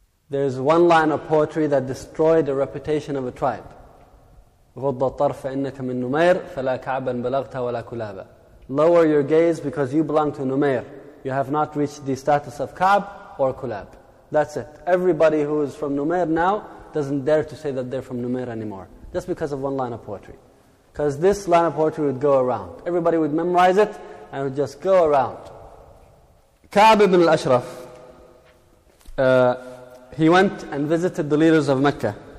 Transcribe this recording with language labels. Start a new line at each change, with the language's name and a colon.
English: There's one line of poetry that destroyed the reputation of a tribe.
Arabic: غض الطرف إنك من نمير فلا كعبا بلغت ولا كلابا.
English: Lower your gaze because you belong to Numair. You have not reached the status of Ka'b or Kulab. That's it. Everybody who is from Numair now doesn't dare to say that they're from Numair anymore. Just because of one line of poetry. Because this line of poetry would go around. Everybody would memorize it and it would just go around. Ka'b ibn al-Ashraf, he went and visited the leaders of Mecca.